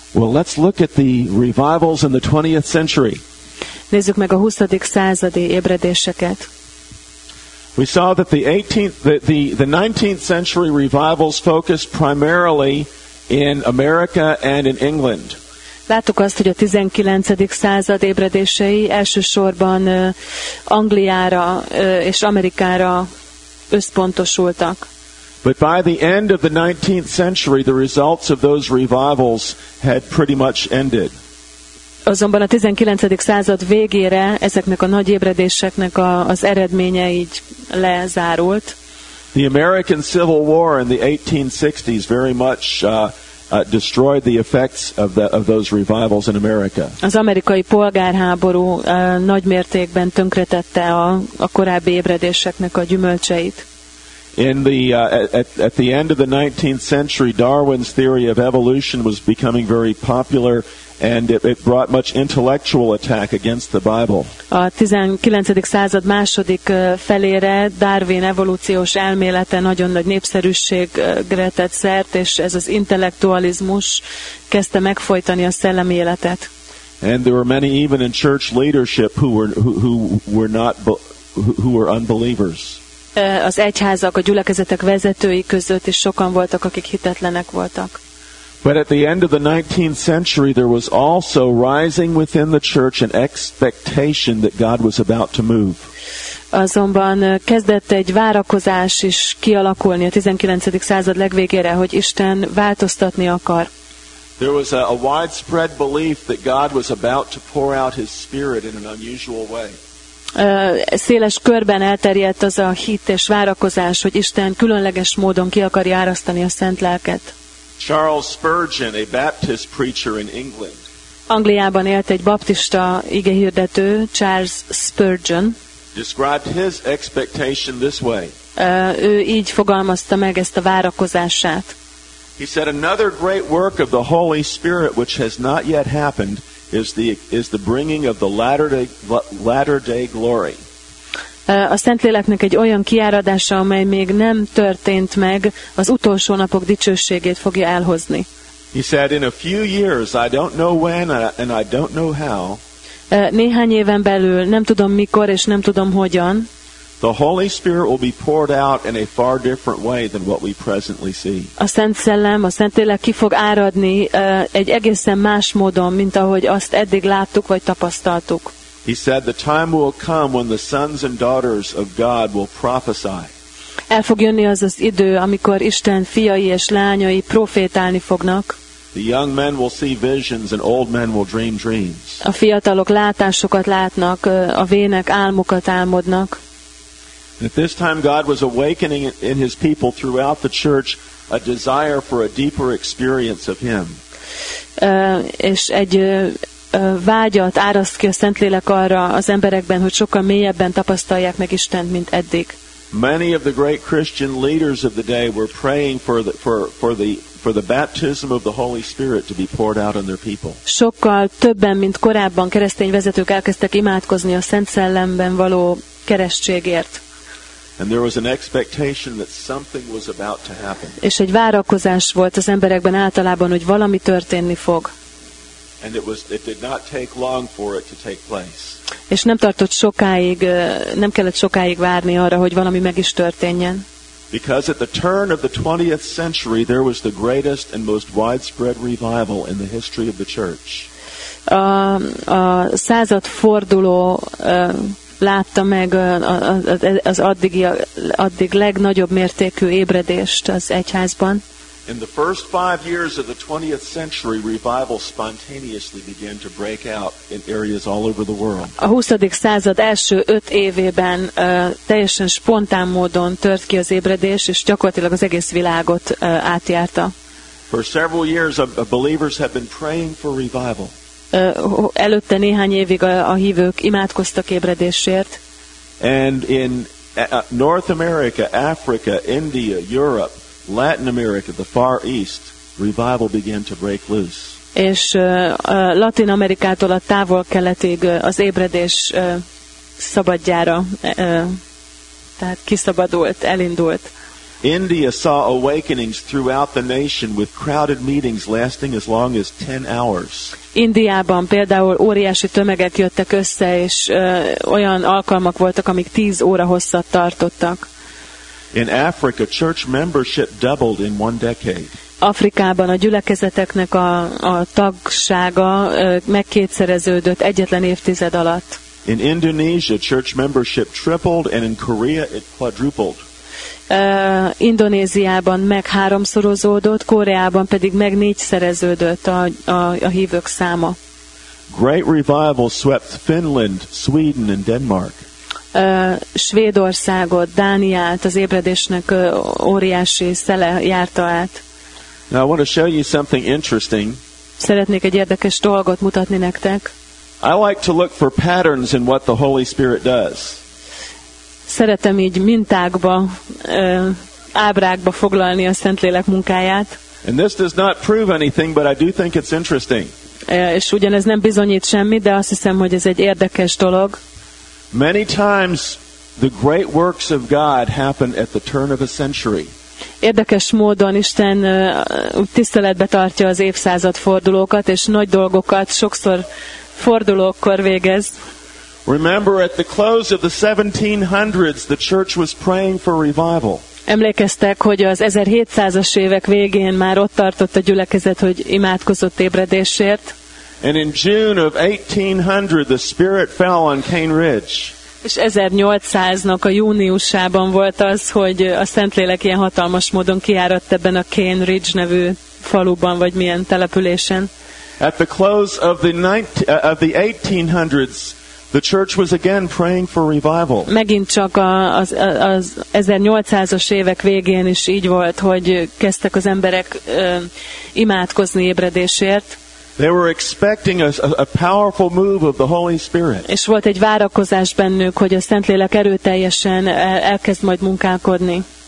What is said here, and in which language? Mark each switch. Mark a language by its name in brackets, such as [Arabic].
[English] Well, let's look at the revivals in the 20th century. [Hungarian] Nézzük meg a 20. századi ébredéseket. [English] We saw that the 19th century revivals focused primarily in America and in England. [Hungarian] Láttuk azt, hogy a 19. század ébredései elsősorban Angliára és Amerikára összpontosultak. [English] But by the end of the 19th century, the results of those revivals had pretty much ended. [Hungarian] Azonban a 19. század végére ezeknek a nagy ébredéseknek az eredménye így lezárult. [English] The American Civil War in the 1860s very much destroyed the effects of those revivals in America. [Hungarian] Az amerikai polgárháború nagy mértékben tönkretette a korábbi ébredéseknek a gyümölcseit. [English] In the at the end of the 19th century, Darwin's theory of evolution was becoming very popular, and it brought much intellectual attack against the Bible. [Hungarian] A 19. század második felére Darwin evolúciós elmélete nagyon nagy népszerűségre tett szert, és ez az intellektualizmus kezdte megfojtani a szellemi életet. [English] And there were many even in church leadership who were unbelievers. [Hungarian] Az egyházak, a gyülekezetek vezetői között is sokan voltak, akik hitetlenek voltak. [English] But at the end of the 19th century, there was also rising within the church an expectation that God was about to move. [Hungarian] Azonban kezdett egy várakozás is kialakulni a 19. század legvégére, hogy Isten változtatni akar. [English] There was a widespread belief that God was about to pour out His Spirit in an unusual way. [Hungarian] Széles körben elterjedt az a hit és várakozás, hogy Isten különleges módon ki akarja árasztani a Szent Lelket. [English] Charles Spurgeon, a Baptist preacher in England. [Hungarian] Angliában élt egy baptista igehirdető, Charles Spurgeon. [English] Described his expectation this way. [Hungarian] Ő így fogalmazta meg ezt a várakozását. [English] He said, another great work of the Holy Spirit which has not yet happened is the bringing of the latter day glory. [Hungarian] A Szentléleknek egy olyan kiáradása, amely még nem történt meg, az utolsó napok dicsőségét fogja elhozni. [English] He said, in a few years, I don't know when and I don't know how. [Hungarian] Néhány éven belül, nem tudom mikor és nem tudom hogyan. [English] The Holy Spirit will be poured out in a far different way than what we presently see. [Hungarian] A Szent Szellem, a Szentlélek ki fog áradni egy egészen más módon, mint ahogy azt eddig láttuk vagy tapasztaltuk. [English] He said the time will come when the sons and daughters of God will prophesy. [Hungarian] El fog jönni az az idő, amikor Isten fiai és lányai profétálni fognak. [English] The young men will see visions and old men will dream dreams. [Hungarian] A fiatalok látásokat látnak, a vének álmokat álmodnak. [English] At this time God was awakening in his people throughout the church a desire for a deeper experience of him. [Hungarian] És egy vágyat áraszt ki a Szentlélek arra az emberekben, hogy sokkal mélyebben tapasztalják meg Istent, mint eddig. [English] Many of the great Christian leaders of the day were praying for the baptism of the Holy Spirit to be poured out on their people. [Hungarian] Sokkal többen, mint korábban keresztény vezetők elkezdtek imádkozni a Szent Szellemben való keresztségért. [English] And there was an expectation that something was about to happen. [Hungarian] És egy várakozás volt az emberekben általában, hogy valami történni fog. [English] And it did not take long for it to take place. [Hungarian] És nem tartott sokáig, nem kellett sokáig várni arra, hogy valami meg is történjen. [English] Because at the turn of the 20th century there was the greatest and most widespread revival in the history of the church. [Hungarian] A századforduló látta meg az addig legnagyobb mértékű ébredést az egyházban. [English] In the first 5 years of the 20th century, revival spontaneously began to break out in areas all over the world. [Hungarian] A 20. század első 5 évében teljesen spontán módon tört ki az ébredés, és gyakorlatilag az egész világot átjárta. [English] For several years, believers have been praying for revival. [Hungarian] Előtte néhány évig a hívők imádkoztak ébredésért. [English] And in North America, Africa, India, Europe, Latin America, the Far East, revival began to break loose. [Hungarian] És Latin Amerikától a távol-keletig az ébredés szabadjára, tehát kiszabadult, elindult. [English] India saw awakenings throughout the nation with crowded meetings lasting as long as 10 hours. [Hungarian] Indiában például óriási tömegek jöttek össze, és olyan alkalmak voltak, amik 10 óra hosszat tartottak. [English] In Africa, church membership doubled in one decade. [Hungarian] Afrikában a gyülekezeteknek a tagsága megkétszereződött egyetlen évtized alatt. [English] In Indonesia, church membership tripled, and in Korea, it quadrupled. [Hungarian] Indonéziában meg háromszorozódott, Koreában pedig meg négyszereződött a hívők száma. [English] Great revival swept Finland, Sweden, and Denmark. [Hungarian] Svédországot, Dániát az ébredésnek óriási szele járta át. [English] Now I want to show you something interesting. [Hungarian] Szeretnék egy érdekes dolgot mutatni nektek. [English] I like to look for patterns in what the Holy Spirit does. [Hungarian] Szeretem így mintákba, ábrákba foglalni a Szentlélek munkáját. [English] And this does not prove anything, but I do think it's interesting. [Hungarian] És ugyanez nem bizonyít semmit, de azt hiszem, hogy ez egy érdekes dolog. [English] Many times the great works of God happen at the turn of a century. [Hungarian] Érdekes módon Isten tiszteletbe tartja az évszázad fordulókat, és nagy dolgokat sokszor fordulókkor végez. [English] Remember at the close of the 1700s the church was praying for revival. [Hungarian] Emlékeztek, hogy az 1700-as évek végén már ott tartott a gyülekezet, hogy imádkozott ébredésért. [English] And in June of 1800 the spirit fell on Cane Ridge. [Hungarian] És 1800-nak a júniusában volt az, hogy a Szentlélek ilyen hatalmas módon kiáradt ebben a Cane Ridge nevű faluban vagy milyen településen. [English] At the close of the 1800s the church was again praying for revival. [Hungarian] Megint csak az 1800-as évek végén is így volt, hogy kezdtek az emberek imádkozni ébredésért. [English] They were expecting a powerful move of the Holy Spirit. [Hungarian] És volt egy várakozás bennük, hogy a Szentlélek erőteljesen elkezd majd munkálkodni.